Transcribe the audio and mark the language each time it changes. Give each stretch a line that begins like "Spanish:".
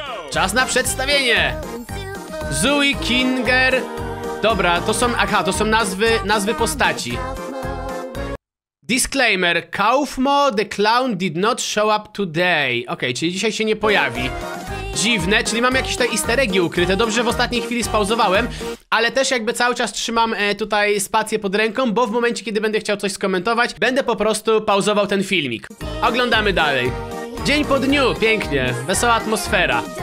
Polish: Czas na przedstawienie. Zui Kinger. Dobra, to są, aha, to są nazwy postaci.
English: Disclaimer: Kaufmo the Clown did not show up today.
Polish: Okej, czyli dzisiaj się nie pojawi. Dziwne, czyli mam jakieś te easter eggi ukryte. Dobrze, że w ostatniej chwili spauzowałem, ale też jakby cały czas trzymam tutaj spację pod ręką, bo w momencie, kiedy będę chciał coś skomentować, będę po prostu pauzował ten filmik. Oglądamy dalej. Dzień po dniu, pięknie, wesoła atmosfera.